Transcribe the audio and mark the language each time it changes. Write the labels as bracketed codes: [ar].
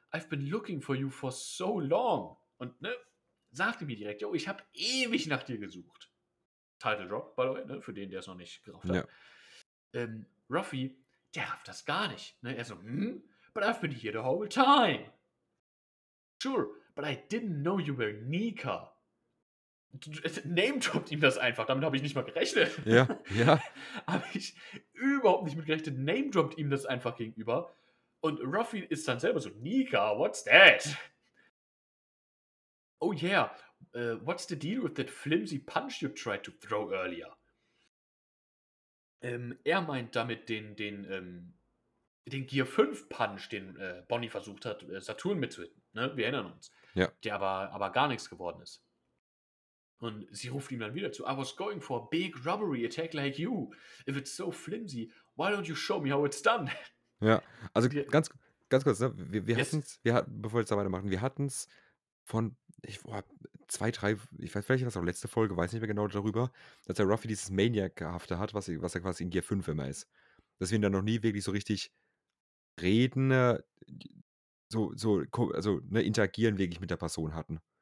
[en] I've been looking for you for so long. [de] Und ne, sagte mir direkt: Yo, ich hab ewig nach dir gesucht. Title Drop, by the way, ne, für den, der es noch nicht gerafft hat. Ja. Ruffy, der rafft das gar nicht. Ne? [en] Er so: But I've been here the whole time. Sure, but I didn't know you were Nika. [de] Name-droppt ihm das einfach, damit habe ich nicht mal gerechnet. Ja, ja. Habe ich überhaupt nicht mit gerechnet. Name-droppt ihm das einfach gegenüber. Und Ruffy ist dann selber so: Nika, what's that? [en] Oh yeah, what's the deal with that flimsy punch you tried to throw earlier? [de] Er meint damit den Gear 5 Punch, den Bonnie versucht hat, Saturn mitzuhitten. Ne? Wir erinnern uns. Ja. Der aber gar nichts geworden ist. Und sie ruft ihm dann wieder zu: I was going for a big robbery attack like you. [en] If it's so flimsy, why don't you show me how it's done? [de] Ja, also ganz kurz, ne? Wir hatten es, bevor wir jetzt da weitermachen, letzte Folge, weiß nicht mehr genau darüber, dass der Ruffy dieses Maniac-Hafte hat, was er quasi in Gear 5 immer ist. Dass wir ihn dann noch nie wirklich so richtig reden, interagieren wirklich mit der Person hatten.